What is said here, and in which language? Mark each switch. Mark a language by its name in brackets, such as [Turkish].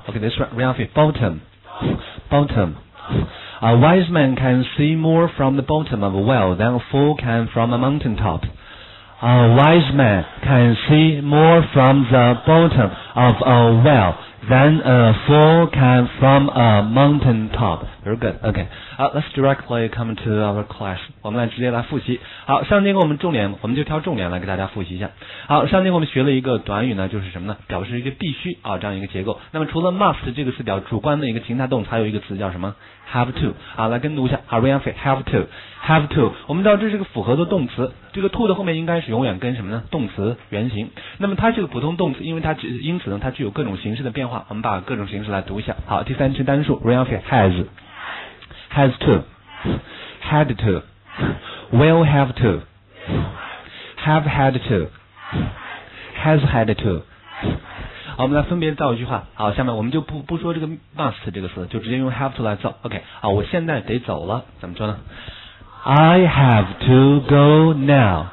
[English] OK, this one, round it, bottom, bottom. A wise man can see more from the bottom of a well than a fool can from a mountain top. A wise man can see more from the bottom of a well than a fool can from a mountain top. Very good. Okay. Let's directly come to our class. [Chinese] 我们来直接来复习。好，上节课我们重点，我们就挑重点来给大家复习一下。好，上节课我们学了一个短语呢，就是什么呢？表示一个必须啊这样一个结构。那么除了 must 这个词表主观的一个情态动词，还有一个词叫什么？ Have to 啊，来跟读一下。 [English] 好 ，read it. Have to, have to。 [Chinese] 我们知道这是个复合的动词，这个 to 的后面应该是永远跟什么呢？动词原形。那么它是个普通动词，因为它因此呢，它具有各种形式的变化。我们把各种形式来读一下。好，第三人称单数 ， [English] read it. Has, has to, had to, will have to, have had to, has had to。 [Chinese] 好，我们来分别造一句话。好，下面我们就不说这个 must 这个词，就直接用 have to 来造。 OK， 好，我现在得走了，怎么说呢 ？ [English] I have to go now。